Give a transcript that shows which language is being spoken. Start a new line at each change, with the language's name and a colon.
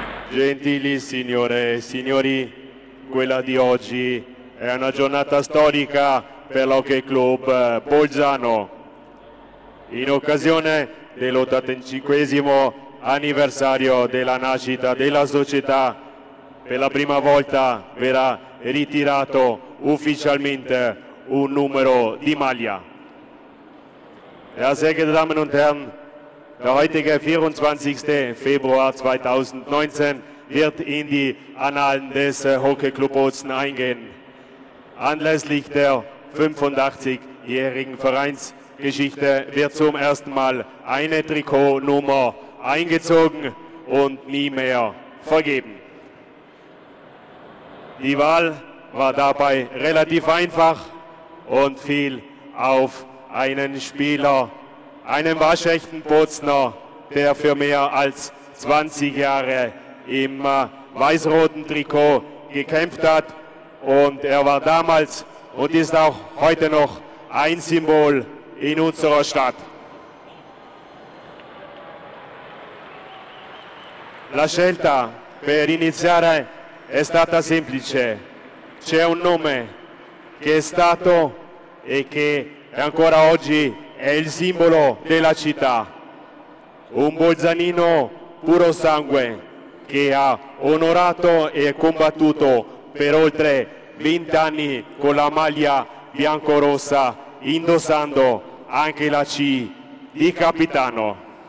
Italian: Gentili signore e signori, quella di oggi è una giornata storica per l'Hockey Club Bolzano. In occasione dell'85esimo anniversario della nascita della società, per la prima volta verrà ritirato ufficialmente un numero di maglia.
German: Sehr geehrte Damen und Herren, der heutige 24. Februar 2019 wird in die Annalen des Hockey Club Bozen eingehen. Anlässlich der 85-jährigen Vereinsgeschichte wird zum ersten Mal eine Trikotnummer eingezogen und nie mehr vergeben. Die Wahl war dabei relativ einfach und fiel auf einen Spieler, einen waschechten Bozner, der für mehr als 20 Jahre im weiß-roten Trikot gekämpft hat. Und er war damals und ist auch heute noch ein Symbol in unserer Stadt.
Italian: La scelta per iniziare è stata semplice. C'è un nome che è stato e che è ancora oggi è il simbolo della città, un bolzanino puro sangue che ha onorato e combattuto per oltre 20 anni con la maglia biancorossa, indossando anche la C di capitano.